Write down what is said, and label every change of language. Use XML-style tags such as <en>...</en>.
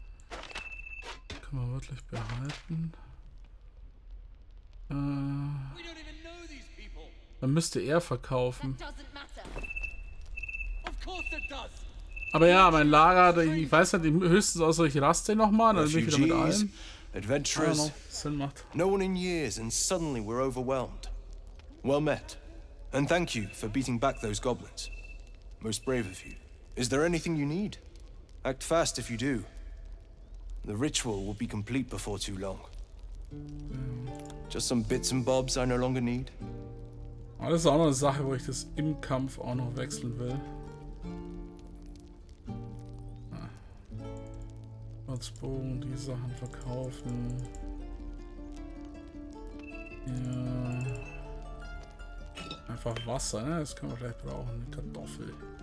<de>Können wir wirklich behalten. Dann müsste er verkaufen. Aber ja, mein Lager, ich weiß nicht, höchstens außer ich raste nochmal, dann bin ich wieder mit allem.</de> <en>Adventurers, no one in years, and suddenly we're overwhelmed. Well met, and thank you for beating back those goblins. Most brave of you. Is there anything you need? Act fast if you do. The ritual will be complete before too long. Just some bits and bobs I no longer need.</en> <de>Das ist auch noch eine Sache, wo ich das im Kampf auch noch wechseln will. Als Bogen die Sachen verkaufen. Ja. Einfach Wasser, ne? Das können wir vielleicht brauchen. Eine Kartoffel.</de>